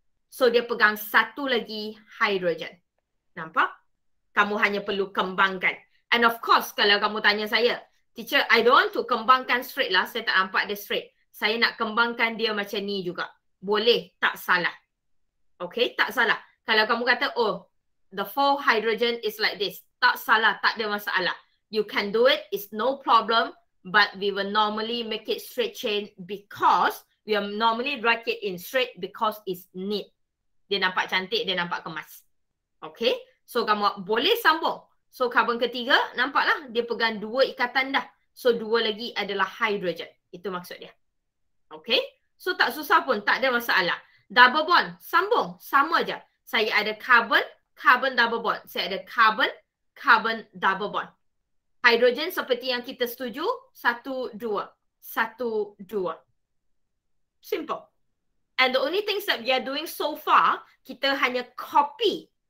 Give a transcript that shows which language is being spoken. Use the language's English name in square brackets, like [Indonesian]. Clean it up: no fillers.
[Malay] So, dia pegang satu lagi hydrogen. Nampak? Kamu hanya perlu kembangkan. And of course, kalau kamu tanya saya, teacher, [English] I don't want to [Malay] kembangkan straight lah, saya tak nampak dia straight. Saya nak kembangkan dia macam ni juga. Boleh, tak salah. Okay, tak salah. Kalau kamu kata, [English] oh, the four hydrogen is like this. [Malay] Tak salah, tak ada masalah. [English] You can do it, it's no problem. But we will normally make it straight chain because we are normally write it in straight because it's neat. [Malay] Dia nampak cantik, dia nampak kemas. Okay, so kamu boleh sambung. So, carbon ketiga, nampaklah dia pegang dua ikatan dah. So, dua lagi adalah hydrogen. Itu maksud dia. Okay, so tak susah pun, tak ada masalah. Double bond, sambung, sama aja. Saya ada carbon, carbon double bond. Saya ada carbon, carbon double bond. Hydrogen seperti yang kita setuju, satu, dua. Satu, dua. [English] Simple. And the only things that we are doing so far, [Malay] kita hanya copy